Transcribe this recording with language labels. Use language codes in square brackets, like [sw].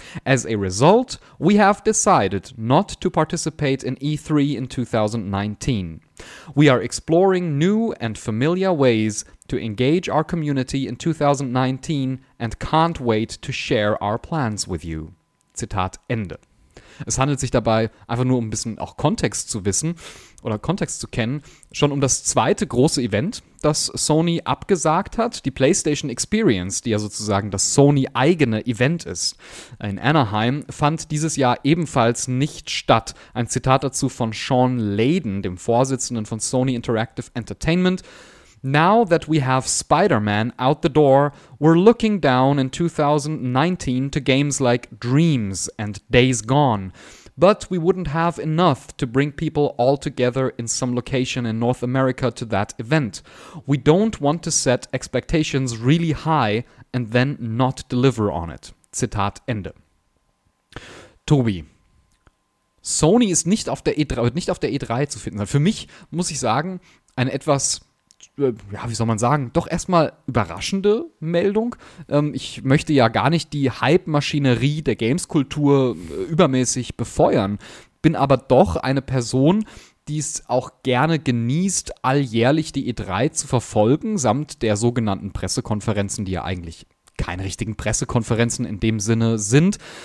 [en] As a result, we have decided not to participate in E3 in 2019. We are exploring new and familiar ways to engage our community in 2019 and can't wait to share our plans with you. [de] Zitat Ende. Es handelt sich dabei, einfach nur um ein bisschen auch Kontext zu wissen oder Kontext zu kennen, schon um das zweite große Event, das Sony abgesagt hat, die PlayStation Experience, die ja sozusagen das Sony-eigene Event ist. In Anaheim fand dieses Jahr ebenfalls nicht statt. Ein Zitat dazu von Sean Layden, dem Vorsitzenden von Sony Interactive Entertainment: [en] "Now that we have Spider-Man out the door, we're looking down in 2019 to games like Dreams and Days Gone. But we wouldn't have enough to bring people all together in some location in North America to that event. We don't want to set expectations really high and then not deliver on it." [de] Zitat Ende. Tobi, Sony ist nicht auf der E3, wird nicht auf der E3 zu finden sein. Für mich, muss ich sagen, ein etwas, ja, wie soll man sagen, doch erstmal überraschende Meldung. Ich möchte ja gar nicht die Hype-Maschinerie der Games-Kultur übermäßig befeuern, bin aber doch eine Person, die es auch gerne genießt, alljährlich die E3 zu verfolgen, samt der sogenannten Pressekonferenzen, die ja eigentlich keine richtigen Pressekonferenzen in dem Sinne sind.